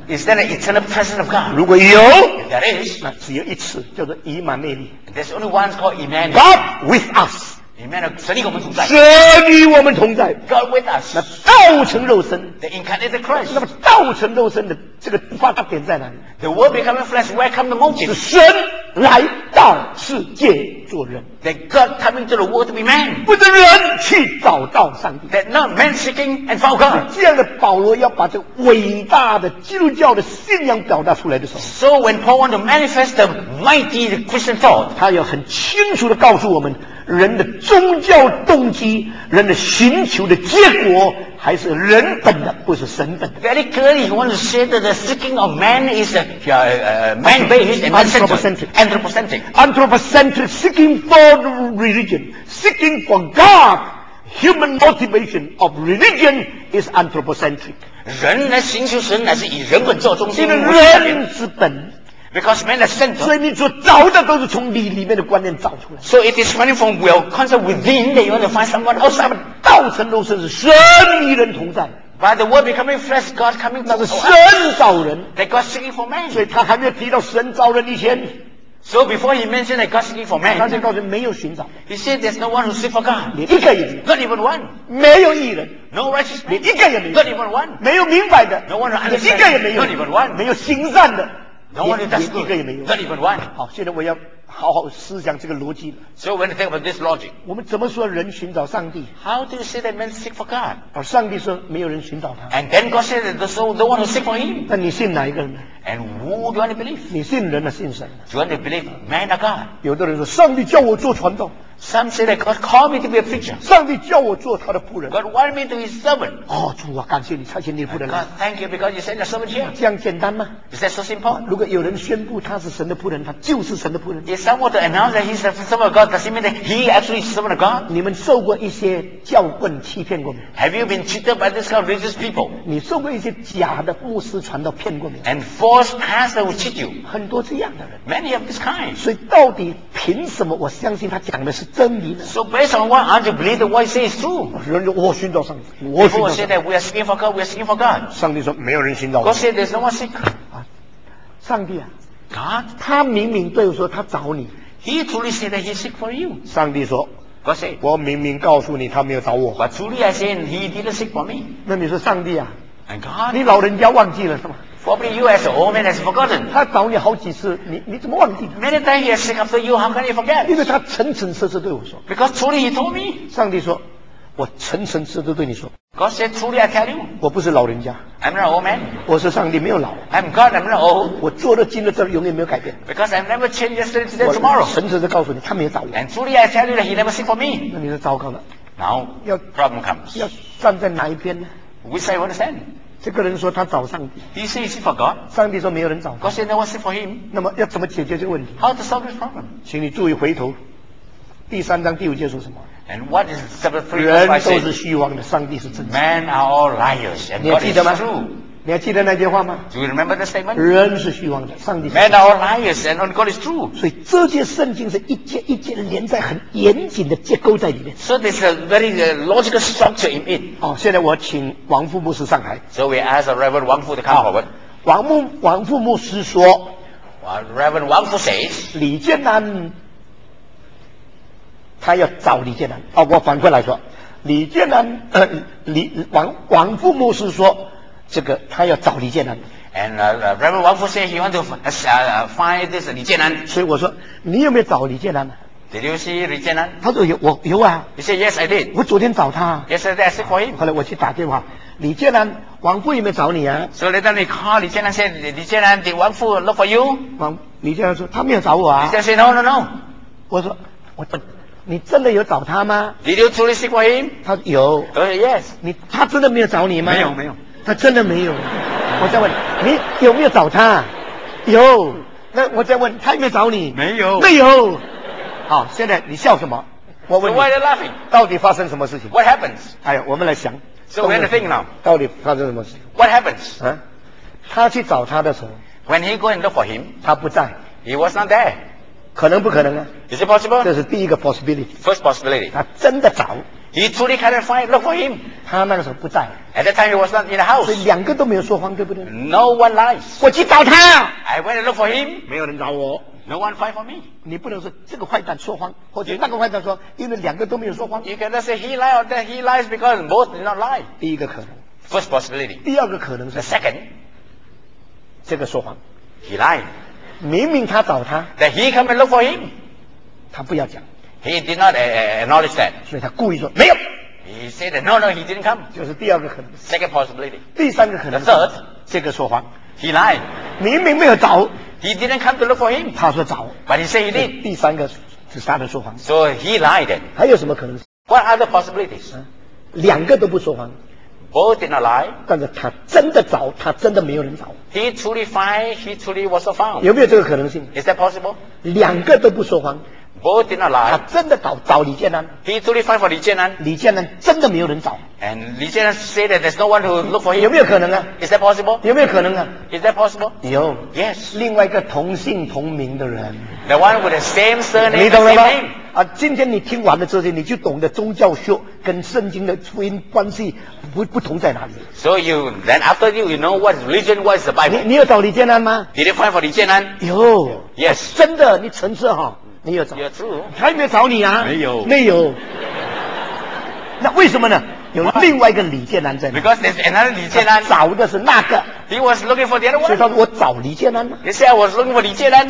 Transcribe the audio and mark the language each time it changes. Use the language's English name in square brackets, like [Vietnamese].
[English] Is there an eternal presence of God? [Chinese] 如果有。 [English] If there is. [Chinese] 那只有一次，叫做以马内利。 [English] There's only one called Emmanuel. God with us. [Chinese] Emmanuel, 神与我们同在。神与我们同在。 [English] God with us. [Chinese] 那道成肉身。 [English] The incarnated Christ. [Chinese] 那么道成肉身的这个发点在哪里？ [English] The word becoming flesh, where come the motive? [Chinese] 是神来到世界做人。 [English] That God coming to the world to be man. [Chinese] 不是人去找到上帝。 [English] That not man seeking and found God. [Chinese] 这样的保罗要把这伟大的基督教的信仰表达出来的时候。 [English] So when Paul want to manifest the mighty Christian thought. [Chinese] 他要很清楚地告诉我们人的宗教动机，人的寻求的结果还是人本的，不是神本的。 [English] Very clearly, he wants to say that the seeking of man is man-based and anthropocentric. Anthropocentric. Anthropocentric seeking for religion, seeking for God. Human motivation of religion is anthropocentric. [Chinese] 人来寻求神，乃是以人本做中心，人之本。 [English] Because man is central. [Chinese] 所以你所找的都是从你里面的观念找出来。 [English] So it is coming from will concept within that you want to find someone outside. [Chinese] 道成肉身是神与人同在。 [English] By the word becoming flesh, God coming to us. [Chinese] 那是神造人。 [English] That God seeking for man. [Chinese] 所以他还没有提到神造人以前。 [English] So before he mentioned that God seeking for man. [Chinese] 他就告诉没有寻找。 [English] He said there's no one who seek for God. [Chinese] 连一个也没有。 [English] Not even one. [Chinese] 没有义人。 [English] No righteous man. [Chinese] 连一个也没有。 [English] Not even one. [Chinese] 没有明白的。 [English] No one who understands. [Chinese] 连一个也没有。 [English] Not even one. [Chinese] 没有行善的。 [English] No one does good. [Chinese] 一个也没有。 [English] Not even one. [Chinese] 好，现在我要好好思想这个逻辑。 [English] So when you think about this logic, [Chinese] 我们怎么说人寻找上帝？ [English] How do you say that men seek for God? [Chinese] 而上帝说没有人寻找他。 [English] And then God said that the soul, the one who seek for Him. [Chinese] 那你信哪一个人呢？ [English] And who do you want to believe? [Chinese] 你信人呢？信神？ [English] Do you want to believe man or God? [Chinese] 有的人说上帝叫我做传道。 [English] Some say that God called me to be a preacher. [Chinese] 上帝叫我做他的仆人。 [English] God wanted me to be a servant. [Chinese] 哦，主啊，感谢你，差遣你的仆人。 [English] God, thank you because you sent a servant here. [Chinese] 这样简单吗？ [English] Is that so simple? [Chinese] 如果有人宣布他是神的仆人，他就是神的仆人。 [English] If someone to announce that he's a servant of God, does it mean that he actually is a servant of God? [Chinese] 你们受过一些教棍欺骗过没？ [English] Have you been cheated by this kind of religious people? [Chinese] 你受过一些假的牧师传道骗过没？ [English] And false pastor will cheat you. [Chinese] 很多这样的人。 [English] Many of this kind. [Chinese] 所以到底凭什么我相信他讲的是？真理的。 [English] So based on what aren't you believe the what you say is true? [Chinese] 人说我寻找上帝，我寻找上帝。 [English] People say that we are seeking for God, we are seeking for God. [Chinese] 上帝说没有人寻找。 [English] God said there's no one seek. [Chinese] 上帝啊 [English] ，God， [Chinese] 他明明对我说他找你。 [English] He truly said that he seek for you. [Chinese] 上帝说 [English] ，God said， [Chinese] 我明明告诉你他没有找我。 [English] But truly I said he didn't seek for me. [Chinese] 那你说上帝啊 [English] ，And God， [Chinese] 你老人家忘记了是吗？ [English] Probably you as an old man has forgotten. [Chinese] 他找你好几次，你怎么忘记？ [English] Many times he has seek after you. How can you forget? [Chinese] 因为他诚诚实实对我说。 [English] Because truly he told me. [Chinese] 上帝说，我诚诚实实对你说。 [English] God said truly I tell you. [Chinese] 我不是老人家。 [English] I'm not an old man. [Chinese] 我是上帝，没有老。 [English] I'm God. I'm not old. [Chinese] 我做的今日这永远没有改变。 [English] Because I've never changed yesterday, today, tomorrow. [Chinese] 诚诚的告诉你，他没有找我。 [English] And truly I tell you that he never seek for me. [Chinese] 那你是糟糕了。 [English] Now problem comes. [Chinese] 要站在哪一边呢？ [English] Which side you want to stand? [Chinese] 这个人说他找上帝。 [English] He said he seek for God. [Chinese] 上帝说没有人找他。 [English] God said no one seek for him. [Chinese] 那么要怎么解决这个问题 [English] ？How to solve this problem? [Chinese] 请你注意回头，第三章第五节说什么 [English] ？And what is chapter three? [Chinese] 人都是虚妄的，上帝是真实。 [English] Man are all liars, and God is true. [Chinese] 你还记得那句话吗 [English] ？Do you remember the statement? [Chinese] 人是虚妄的，上帝是。 [English] Men are liars, and God is true. [Chinese] 所以这些圣经是一节一节连在很严谨的结构在里面。 [English] So there's a very logical structure in it. [Chinese] 哦，现在我请王副牧师上台。 [English] So we ask Reverend Wang Fu to come forward. [Chinese] 王副牧师说 [English] ，Reverend Wang Fu says， [Chinese] 李建南，他要找李建南。哦，我反过来说，李建南，王副牧师说。这个他要找李建南 [English] Reverend Wang Fu said he want to find this 李建南。 [Chinese] 所以我说，你有没有找李建南 [English] ？Did you see 李建南？ [Chinese] 他说有，我有啊。 [English] He said yes, I did。 [Chinese] 我昨天找他。 [English] Yes, I did. I for him。 [Chinese] 后来我去打电话，李建南，王副有没有找你啊 [English] ？So later they call 李建南 said 李建南 did Wang Fu look for you？ [Chinese] 李建南说他没有找我啊。 [English] 李建南 said no。 [Chinese] 我说我。你真的有找他吗 [English] ？Did you truly seek for him？ [Chinese] 他有。 [English] Yes。 [Chinese] 你他真的没有找你吗？没有，没有。他真的没有，我再问你有没有找他？有，那我再问他有没有找你？没有，没有。好，现在你笑什么？我问你 [English] ，Why are you laughing？ [Chinese] 到底发生什么事情 [English] ？What happens？ [Chinese] 哎呀，我们来想。 [English] So we're thinking now。 [Chinese] 到底发生什么事情 [English] ？What happens？ [Chinese] 啊，他去找他的时候 [English] ，When he go and look for him， [Chinese] 他不在 [English] ，He was not there。 [Chinese] 可能不可能啊 [English] ？Is it possible？ [Chinese] 这是第一个 possibility。 [English] First possibility。 [Chinese] 他真的找。 [English] He truly cannot find look for him。 [Chinese] 他那个时候不在。 [English] At that time he was not in the house。 [Chinese] 所以两个都没有说谎，对不对 [English] ？No one lies。 [Chinese] 我去找他。 [English] I went to look for him。 [Chinese] 没有人找我。 [English] No one find for me。 [Chinese] 你不能说这个坏蛋说谎，或者那个坏蛋说，因为两个都没有说谎。 [English] You cannot say he lies or that he lies because both did not lie。 [Chinese] 第一个可能。 [English] First possibility。 [Chinese] 第二个可能是。 [English] The second。 [Chinese] 这个说谎。 [English] He lied。 [Chinese] 明明他找他。 [English] That he come and look for him。 [Chinese] 他不要讲。 [English] He did not acknowledge that. [Chinese] 所以他故意说没有。 [English] He said that, no, he didn't come. [Chinese] 就是第二个可能。 [English] Second possibility. [Chinese] 第三个可能。 [English] The third. [Chinese] 这个说谎。 [English] He lied. [Chinese] 明明没有找。 [English] He didn't come to look for him. [Chinese] 他说找。 [English] But he said he did. [Chinese] 第三个是他的说谎。 [English] So he lied. [Chinese] 还有什么可能？ [English] What other possibilities?、啊、 [Chinese] 两个都不说谎。 [English] Both did not lie. [Chinese] 但是他真的找，他真的没有人找。 [English] He truly find, he truly was not found. [Chinese] 有没有这个可能性？ [English] Is that possible? [Chinese] 两个都不说谎。 [English] Both did not lie. [Chinese] 他真的找李建南。 [English] He truly find for 李建南。 [Chinese] 李建南真的没有人找。 [English] And 李建南 say that there's no one to look for him. [Chinese] 有没有可能啊 [English] ？Is that possible? [Chinese] 有没有可能啊 [English] ？Is that possible? [Chinese] 有。 [English] Yes. [Chinese] 另外一个同姓同名的人。 [English] The one with the same surname. [Chinese] 你懂了吗？啊，今天你听完了这些，你就懂得宗教学跟圣经的福音关系不同在哪里。 [English] So you then after you know what religion was the Bible. [Chinese] 你有找李建南吗 [English] ？Did you find for 李建南？ [Chinese] 有。 [English] Yes. [Chinese] 真的，你诚实哈。没有找，他有没有找你啊？没有，没有。那为什么呢？有另外一个李建南在。 [English] Because there's another 李建南。 [Chinese] 找的是那个。 [English] He was looking for the other one。 [Chinese] 所以他说我找李建南。 [English] He said I was looking for 李建南。